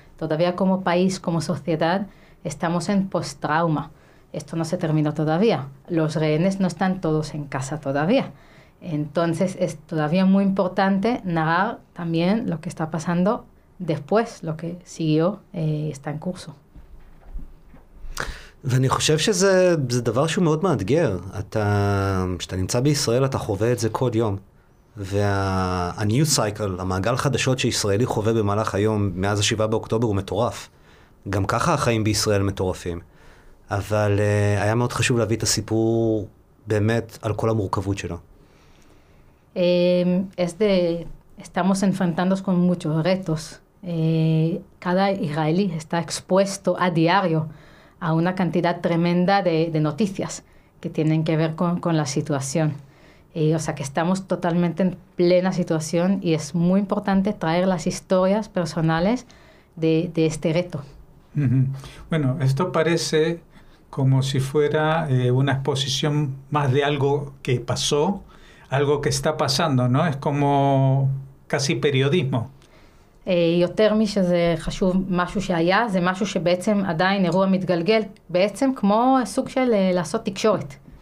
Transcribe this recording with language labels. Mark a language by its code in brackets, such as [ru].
[es] Todavía como país, como sociedad, estamos en post trauma. Esto no se terminó todavía. Los rehenes no están todos en casa todavía. Entonces es todavía muy importante narrar también lo que está pasando después, lo que siguió está en curso. [he] ואני חושב שזה דבר שהוא מאוד מאתגר. כשאתה נמצא בישראל, אתה חווה את זה כל יום. והניו סייקל, המעגל חדשות שישראלי חווה במהלך היום, מאז השבעה באוקטובר, הוא מטורף. גם ככה החיים בישראל מטורפים. אבל היה מאוד חשוב להביא את הסיפור באמת על כל המורכבות שלו. [es] Estamos enfrentándonos con muchos retos. Cada israelí está expuesto a diario a una cantidad tremenda de noticias que tienen que ver con la situación. O sea, que estamos totalmente en plena situación y es muy importante traer las historias personales de este reto. Bueno, esto parece como si fuera una exposición más de algo que pasó, algo que está pasando, ¿no? Es como casi periodismo. [he] יותר משזה חשוב משהו שהיה, זה משהו שבעצם עדיין אירוע מתגלגל, בעצם כמו סוג של לעשות תקשורת.